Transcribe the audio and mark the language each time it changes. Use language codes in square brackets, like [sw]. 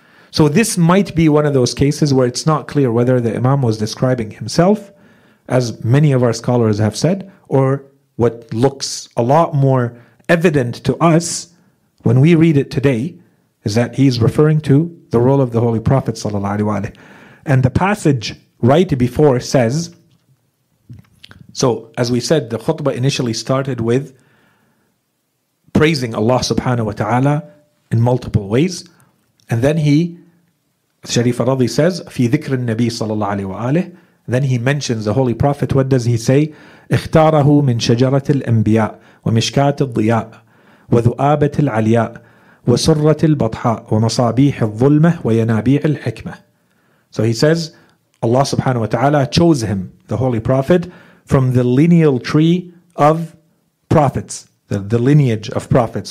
[en] So this might be one of those cases where it's not clear whether the Imam was describing himself, as many of our scholars have said, or what looks a lot more evident to us when we read it today, is that he's referring to the role of the Holy Prophet sallallahu alaihi wasallam. And the passage right before says, so as we said, the khutbah initially started with praising Allah subhanahu wa ta'ala in multiple ways. And then he, Sharif al-Radi says, [ar] فِي ذِكْرِ النَّبِي صَلَى اللَّهُ عَلَيْهِ وَآلِهِ. [en] Then he mentions the Holy Prophet. What does he say? [ar] اِخْتَارَهُ مِنْ شَجَرَةِ الْأَنْبِيَاءِ وَمِشْكَاتِ الضِّيَاءِ وَذُؤَابَةِ الْعَلْيَاءِ وَسُرَّةِ الْبَطْحَاءِ وَمَصَابِيحِ الظُّلْمَةِ وَيَنَابِيعِ الْحِكْمَةِ. [en] So he says, Allah subhanahu wa ta'ala chose him, the Holy Prophet, from the lineal tree of prophets, the lineage of prophets.